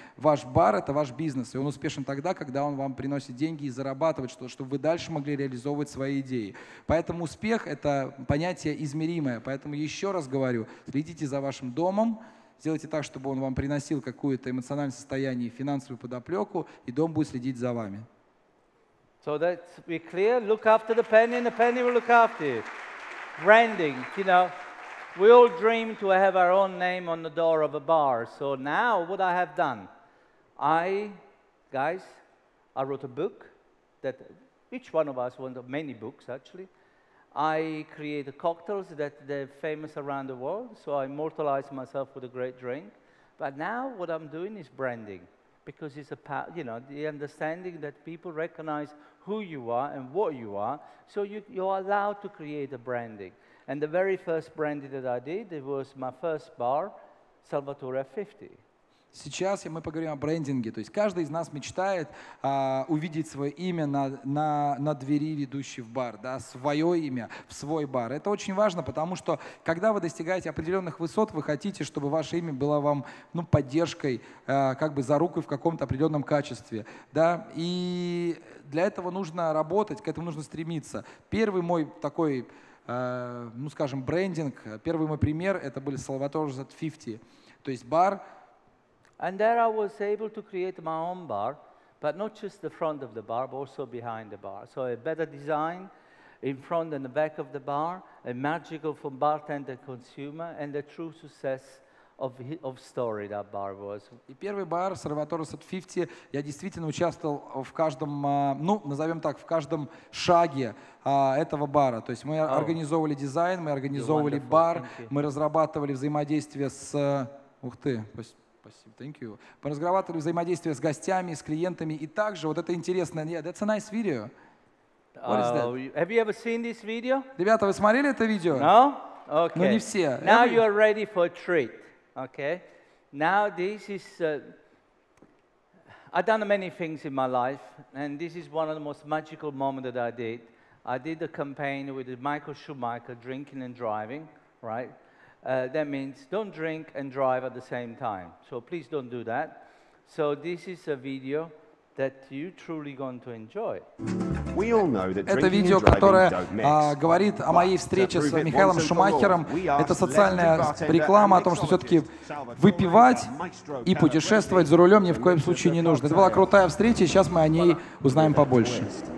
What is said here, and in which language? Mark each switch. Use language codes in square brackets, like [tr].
[ru] Ваш бар – это ваш бизнес, и он успешен тогда, когда он вам приносит деньги и зарабатывает, чтобы вы дальше могли реализовывать свои идеи. Поэтому успех – это понятие измеримое. Поэтому еще раз говорю, следите за вашим домом, сделайте так, чтобы он вам приносил какое-то эмоциональное состояние и финансовую подоплеку, и дом будет следить за вами. [en] So that's, we're clear? Look after the penny, and the penny will look after you. Branding, you know. We all dream to have our own name on the door of a bar. So now, what I have done? I wrote a book that each one of us wanted, many books actually. I create cocktails that they're famous around the world, so I immortalize myself with a great drink. But now what I'm doing is branding, because it's about, you know, the understanding that people recognize who you are and what you are, so you're allowed to create a branding. And the very first branding that I did, it was my first bar, Salvatore 50. [ru] Сейчас мы поговорим о брендинге. То есть каждый из нас мечтает увидеть свое имя на двери, ведущей в бар. Да, свое имя в свой бар. Это очень важно, потому что когда вы достигаете определенных высот, вы хотите, чтобы ваше имя было вам поддержкой, как бы зарукой в каком-то определенном качестве. Да? И для этого нужно работать, к этому нужно стремиться. Первый мой такой, скажем, брендинг, первый мой пример, это были Salvatore 50. То есть бар. [en] And there I was able to create my own bar, but not just the front of the bar, but also behind the bar. So a better design in front and the back of the bar, a magical from bartender and consumer, and the true success of story that bar was. [ru] И первый бар, Salvatore 50, я действительно участвовал в каждом, назовем так, в каждом шаге этого бара. То есть мы организовывали дизайн, мы организовывали бар, мы разрабатывали взаимодействие с... Ух ты, спасибо. [en] Thank you. [ru] Мы разговаривали взаимодействие с гостями, с клиентами, и также вот это интересное. [en] Yeah, that's a nice video. What is that? Have you ever seen this video? [ru] Ребята, вы смотрели это видео? [en] No. Okay. [ru] Но не все. [en] Now you are ready for a treat. Okay. Now this is. I've done many things in my life, and this is one of the most magical moments that I did. I did a campaign with Michael Schumacher, drinking and driving, right? That means don't drink and drive at the same time. So please don't do that. So this is a video that you truly going to enjoy. We all know that [ru] это видео, которое говорит о моей встрече с Михаилом Шумахером. Это социальная реклама о том, что все-таки выпивать и путешествовать за рулем ни в коем случае не нужно. Это была крутая встреча, сейчас мы о ней узнаем побольше.